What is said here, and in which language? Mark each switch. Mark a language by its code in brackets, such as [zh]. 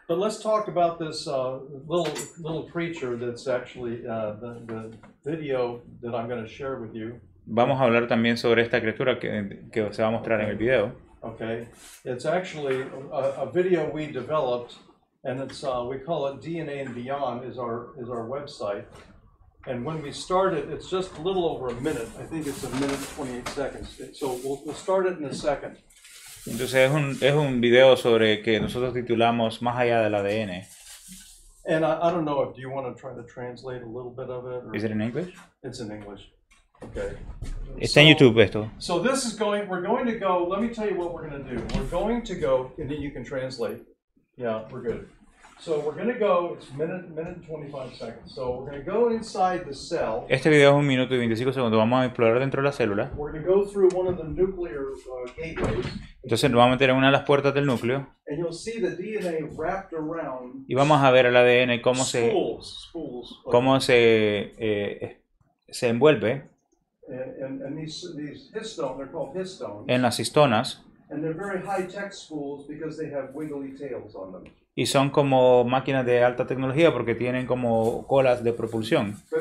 [en] But let's talk about this little creature that's actually the video that I'm going to share with you. [es] Vamos a hablar también sobre esta criatura que se va a mostrar en el video. [en] Okay. It's actually a video we developed, and it's we call it DNA and Beyond is our website. And when we start it, it's just a little over a minute. I think it's a minute 28 seconds. So we'll start it in a second. [es] Entonces es un video sobre que nosotros titulamos Más allá del ADN. [en] And I don't know if you want to try to translate a little bit of it. Or is it in English? It's in English. Okay. [es] Está so, en YouTube esto. [en] So this is going. We're going to go. Let me tell you what we're going to do. We're going to go, and then you can translate. Yeah, we're good. So we're going to go, it's minute 25 seconds. So we're going to go inside the cell. [es] Este video es un minuto y 25 segundos. Vamos a explorar dentro de la célula. [en] We're going to go through one of the nuclear gateways. [es] Entonces nos vamos a meter en una de las puertas del núcleo. [en] And you'll see the DNA wrapped around. [es] Y vamos a ver el ADN cómo [en] spools. [es] Okay. Cómo se envuelve. [en] And these histones, they're called histones. [es] En las histonas. [en] And they're very high-tech spools because they have wiggly tails on them. [es] Y son como máquinas de alta tecnología porque tienen como colas de propulsión.